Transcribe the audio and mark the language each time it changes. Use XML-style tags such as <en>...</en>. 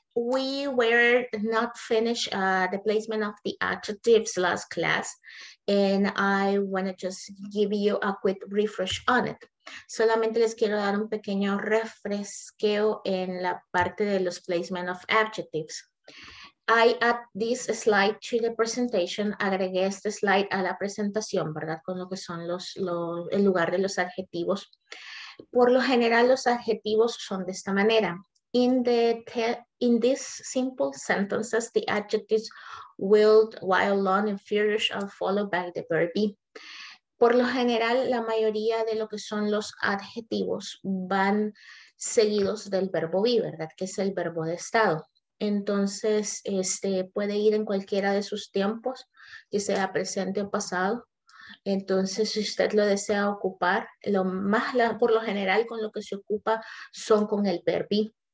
<en>We were not finished the placement of the adjectives last class, and I want to just give you a quick refresh on it.</en> <es>solamente les quiero dar un pequeño refresqueo en la parte de los</es> <en>placement of adjectives. I add this slide to the presentation.</en> <es>Agregué este slide a la presentación, ¿verdad? Con lo que son el lugar de los adjetivos. Por lo general, los adjetivos son de esta manera.</es> <en>In these simple sentences, the adjectives will, while, long, and furious are followed by the verb be.</en> <es>Por lo general, la mayoría de lo que son los adjetivos van seguidos del verbo be, ¿verdad? Que es el verbo de estado. Entonces, puede ir en cualquiera de sus tiempos, que sea presente o pasado. Entonces, si usted lo desea ocupar, por lo general con lo que se ocupa son con el verb be.</es>